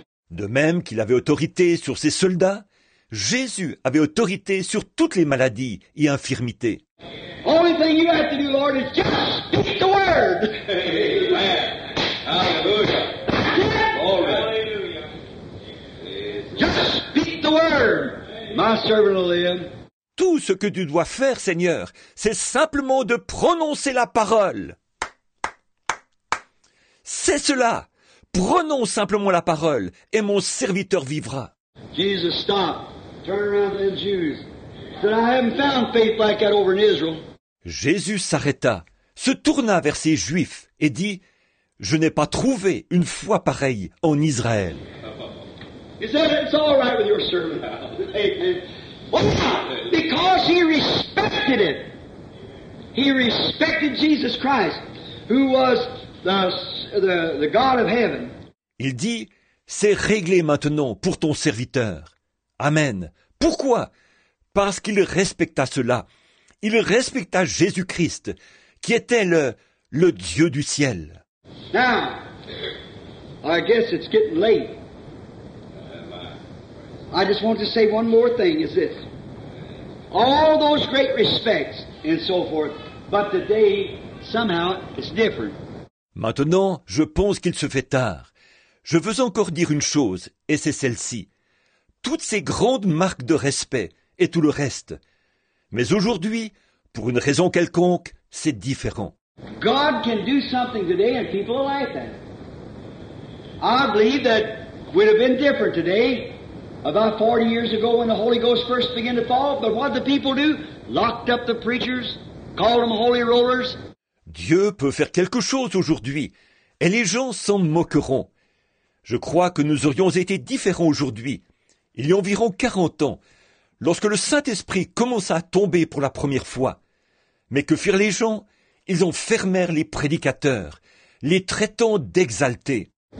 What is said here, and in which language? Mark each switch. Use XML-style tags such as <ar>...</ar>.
<fr>De même qu'il avait autorité sur ses soldats, Jésus avait autorité sur toutes les maladies et infirmités.</fr> <en>Only thing you have to do, Lord, is just speak the word. Amen. Hallelujah. Yes. Hallelujah. Just speak the word. My servant will live.</en> <fr>Tout ce que tu dois faire, Seigneur, c'est simplement de prononcer la parole. C'est cela. Prononce simplement la parole et mon serviteur vivra.</fr> <en>Jesus stopped. Turn around to the Jews. Said, I haven't found faith like that over in Israel.</en> <fr>Jésus s'arrêta, se tourna vers ces Juifs et dit, je n'ai pas trouvé une foi pareille en Israël.</fr> <en>He said, it's all right with your servant. Amen. Why? Because he respected it. He respected Jesus Christ, who was the God of heaven.</en> <fr>Il dit, c'est réglé maintenant pour ton serviteur. Amen. Pourquoi? Parce qu'il respecta cela. Il respecta Jésus-Christ, qui était le Dieu du ciel.</fr> <en>Now, I guess it's getting late. I just want to say one more thing, is this. All those great respects and so forth, but today, somehow, it's different.</en> <fr>Maintenant, je pense qu'il se fait tard. Je veux encore dire une chose, et c'est celle-ci. Toutes ces grandes marques de respect et tout le reste. Mais aujourd'hui, pour une raison quelconque, c'est différent.</fr> <en>God can do something today and people like that. I believe that would have been different today, about 40 years ago when the Holy Ghost first began to fall. But what did the people do? Locked up the preachers, called them holy rollers.</en> <fr>Dieu peut faire quelque chose aujourd'hui, et les gens s'en moqueront. Je crois que nous aurions été différents aujourd'hui, il y a environ 40 ans, lorsque le Saint-Esprit commença à tomber pour la première fois. Mais que firent les gens? Ils en fermèrent les prédicateurs, les traitant d'exaltés.</fr>